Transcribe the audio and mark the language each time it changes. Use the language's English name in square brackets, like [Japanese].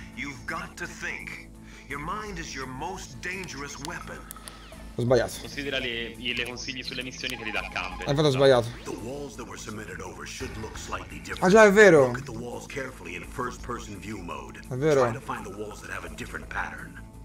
[English] You've got to think. Your mind is your most dangerous weapon. [Italian] Ho sbagliato. Considera le consigli sulle missioni che li dà Campbell. Hai fatto sbagliato. [English] The walls that were submitted over should look slightly different. [Italian] Ah già, è vero. [English] Look at the walls carefully in first person view mode. [Italian] È vero. [English] Try to find the walls that have a different pattern.